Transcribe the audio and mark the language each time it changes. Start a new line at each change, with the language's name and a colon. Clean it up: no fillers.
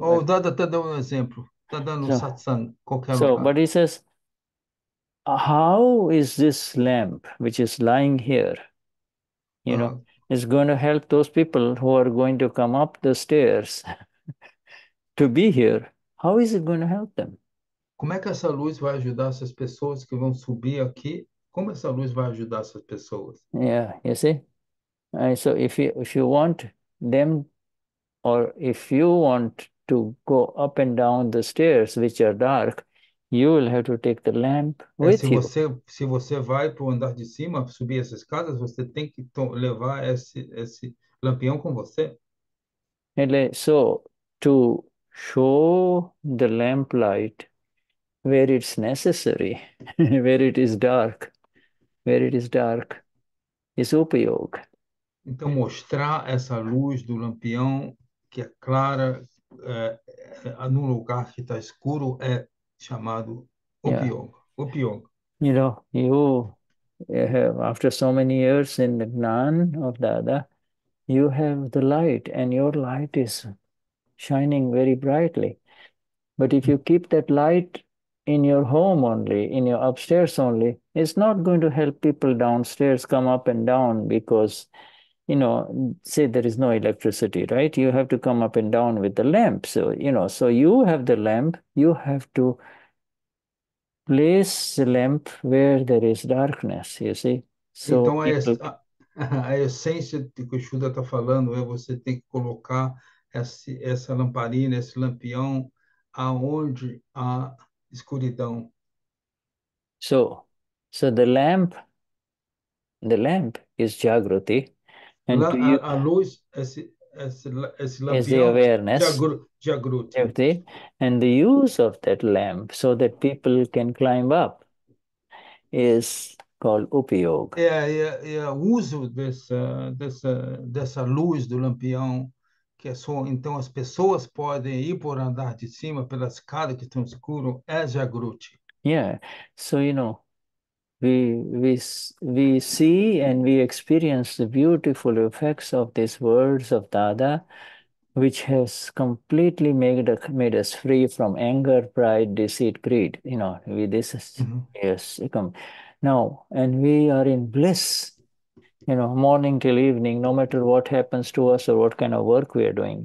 Portuguese: Oh, Dada está dando um exemplo. Está dando satsang, qualquer
English: so,
Portuguese: lugar.
English: But he says, how is this lamp, which is lying here, you know, is going to help those people who are going to come up the stairs to be here? How is it going to help them?
Portuguese: Como é que essa luz vai ajudar essas pessoas que vão subir aqui? Como essa luz vai ajudar essas pessoas?
English: Yeah, you see? So if you want them, or if you want to go up and down the stairs, which are dark, you will have to take the lamp with
Portuguese: se
English: you.
Portuguese: Se você vai para o andar de cima, subir essas escadas, você tem que levar esse lampião com você.
English: So, to show the lamp light, where it's necessary, where it is dark, is Upayog.
Portuguese: Então, mostrar essa luz do lampião que é clara no lugar que está escuro é chamado Upayog.
English: Yeah. Upayog. You know, you have, after so many years in the Gnan of Dada, you have the light, and your light is shining very brightly. But if you keep that light in your home only, in your upstairs only, it's not going to help people downstairs come up and down because, you know, say there is no electricity, right? You have to come up and down with the lamp. So, you know, so you have the lamp, you have to place the lamp where there is darkness, you see? So
Portuguese: então, a essência do que o Shuddha está falando é você tem que colocar essa lamparina, esse lampião, aonde há escuridão.
English: So the lamp is Jagruti, and
Portuguese: a luz, esse lampião,
English: is the awareness, Jagruti. And the use of that lamp so that people can climb up is called Upayog. Yeah.
Portuguese: O uso dessa luz do lampião, que é só, então as pessoas podem ir por andar de cima pela escada que estão escuro, é Jagruti.
English: Yeah, so you know, we see and we experience the beautiful effects of these words of Dada, which has completely made us free from anger, pride, deceit, greed. You know, this is yes. Now, and we are in bliss, you know, morning till evening, no matter what happens to us or what kind of work we are doing.